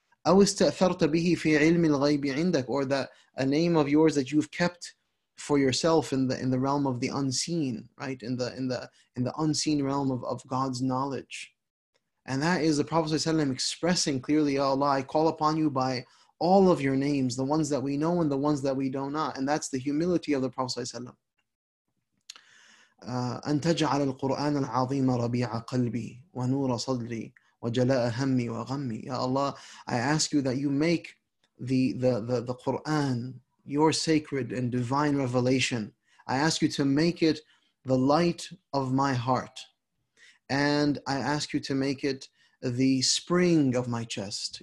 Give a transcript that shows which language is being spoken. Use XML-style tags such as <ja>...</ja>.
<ar>أو استأثرت به في علم الغيب عندك,</ar> <en>or that a name of yours that you've kept for yourself in the realm of the unseen, right? In the unseen realm of God's knowledge. And that is the Prophet ﷺ expressing clearly, Ya Allah, I call upon you by all of your names, the ones that we know and the ones that we do not. And that's the humility of the Prophet ﷺ.</en> <ar>أن تجعل القرآن العظيم ربيع قلبي ونور صدري وجلاء همي وغمي.</ar> <en>Ya Allah, I ask you that you make the Quran your sacred and divine revelation. I ask you to make it the light of my heart, and I ask you to make it the spring of my chest.</en>